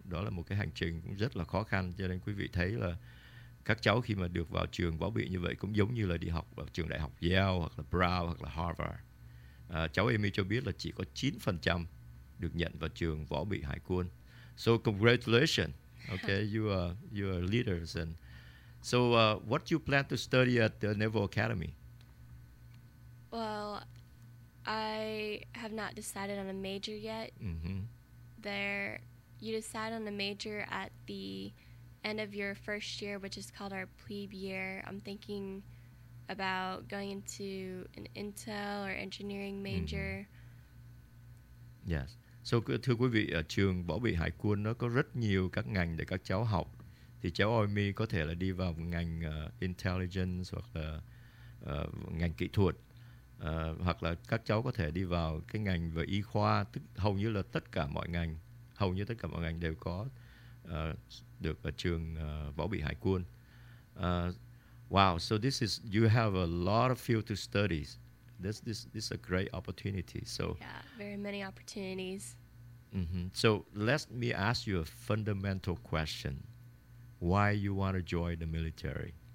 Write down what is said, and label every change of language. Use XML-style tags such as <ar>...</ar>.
<vi>Đó là một cái hành trình cũng rất là khó khăn, cho nên quý vị thấy là các cháu khi mà được vào trường võ bị như vậy cũng giống như là đi học vào trường đại học Yale hoặc là Brown hoặc là Harvard. Cháu Amy cho biết là chỉ có 9% được nhận vào trường võ bị hải quân.</vi> <en>So congratulations. Okay, you are leaders. And so what do you plan to study at the Naval Academy? Well, I have not decided on a major yet. Mm-hmm. There, you decide on a major at the end of your first year, which is called our plebe year. I'm thinking about going into an intel or engineering major. Mm-hmm. Yes.</en> <vi>So, thưa quý vị, ở trường võ bị hải quân nó có rất nhiều các ngành để các cháu học. Thì cháu Amy có thể là đi vào ngành intelligence hoặc là ngành kỹ thuật. Hoặc là các cháu có thể đi vào cái ngành về y khoa, tức hầu như là tất cả mọi ngành, hầu như tất cả mọi ngành đều có được ở trường võ bị hải quân.</vi> <en>Wow, so this is, you have a lot of field to study. This is a great opportunity. So yeah, very many opportunities. Mm-hmm. So let me ask you a fundamental question. Why you want to join the military?</en>